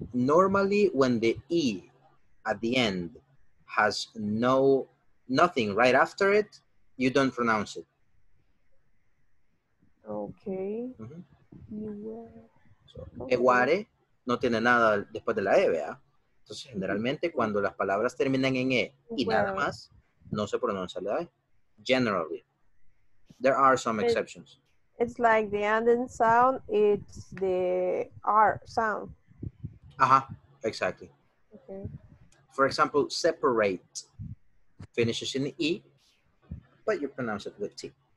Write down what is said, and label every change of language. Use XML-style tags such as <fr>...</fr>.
<en>Normally, when the E at the end has nothing right after it, you don't pronounce it. Okay. Mm-hmm. Beware.</en> <es>So, beware no tiene nada después de la E, ¿verdad? Entonces, generalmente, cuando las palabras terminan en E y nada más, no se pronuncia la E.</es> <en>Generally. There are some exceptions. It's like the ending sound, it's the R sound. Aha, uh-huh, exactly. Okay. For example, separate finishes in the E, but you pronounce it with T. Okay.</en>